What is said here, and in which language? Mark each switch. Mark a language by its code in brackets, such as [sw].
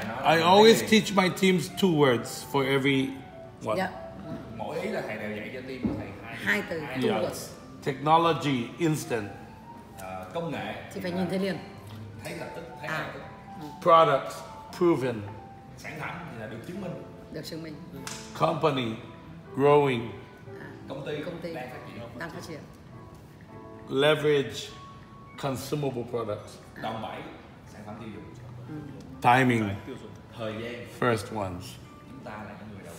[en] I always teach my teams two words for every one. Yeah. [vi] Mỗi ý là thầy đều dạy cho team của thầy hai từ. [en] Yeah. Words. Technology, instant. [vi] Công nghệ. Thì phải nhìn thấy liền. Thấy lập tức, thấy ngay tức. [en] Product, proven. [vi] Sản phẩm thì là được chứng minh. Được chứng minh. [en] Company, growing. [vi] Công ty đang phát triển. [en] Leverage, consumable products. [vi] Đồng bẫy, sản phẩm tiêu dùng. [en] Timing, [vi] thời gian. [en] First ones. [vi] Chúng ta là những người đầu.